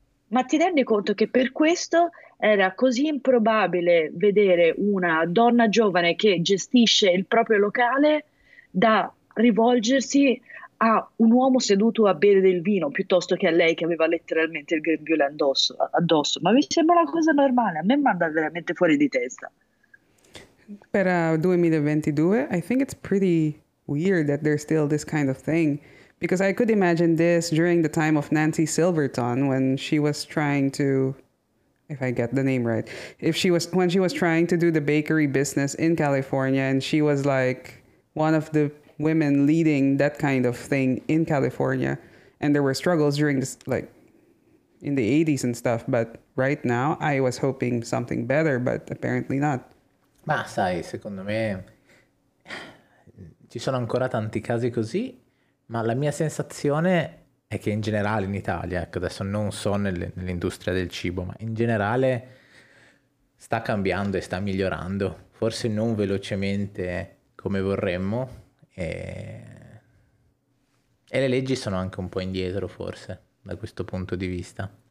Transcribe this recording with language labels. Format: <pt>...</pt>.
<it>Ma ti rendi conto che per questo era così improbabile vedere una donna giovane che gestisce il proprio locale da rivolgersi a un uomo seduto a bere del vino piuttosto che a lei che aveva letteralmente il grembiule addosso? Ma mi sembra una cosa normale, a me manda veramente fuori di testa.</it> <en>Per 2022, I think it's pretty weird that there's still this kind of thing. Because I could imagine this during the time of Nancy Silverton when she was trying to, if I get the name right, when she was trying to do the bakery business in California, and she was like one of the women leading that kind of thing in California, and there were struggles during this, like in the 80s and stuff. But right now I was hoping something better, but apparently not.</en> <it>Ma sai, secondo me ci sono ancora tanti casi così. Ma la mia sensazione è che in generale in Italia, ecco, adesso non so nell'industria del cibo, ma in generale sta cambiando e sta migliorando, forse non velocemente come vorremmo, e le leggi sono anche un po' indietro forse da questo punto di vista.</it>